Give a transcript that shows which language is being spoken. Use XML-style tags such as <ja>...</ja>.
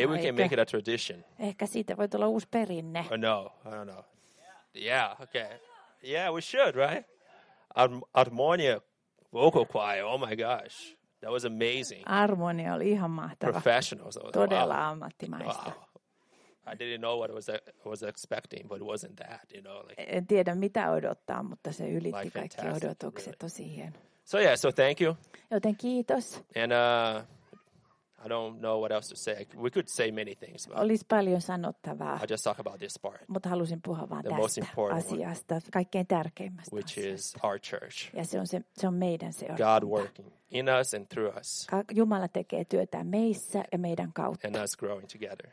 <en>Maybe we can make it a tradition.</en> <fi>Ehkä siitä voi tulla uusi perinne.</fi> <en>Oh, no, I don't know. Yeah, okay. Yeah, we should, right? Armonia vocal choir, oh my gosh. That was amazing.</en> <fi>Armonia oli ihan mahtava.</fi> <en>Professionals.</en> <fi>Todella ammattimaista. Wow.</fi> <en>I didn't know what I was expecting, but it wasn't that, you know, like.</en> <fi>En tiedä mitä odottaa, mutta se ylitti kaikki odotukset,</fi> <en>really.</en> <fi>Tosi hieno.</fi> <en>So yeah, so thank you.</en> <fi>Joten kiitos.</fi> <en>And I don't know what else to say. We could say many things.</en> <fi>Olisi paljon sanottavaa.</fi> <en>I'll just talk about this part.</en> <fi>Mutta halusin puhua vaan tästä asiasta, kaikkein tärkeimmästä asiasta. Kaikkein tärkeimmästä.</fi> <en>Which is our church.</en> <fi>Ja se on meidän seurakunta.</fi> <en>God working in us and through us.</en> <fi>Jumala tekee työtä meissä ja meidän kautta.</fi> <en>And us growing together.</en>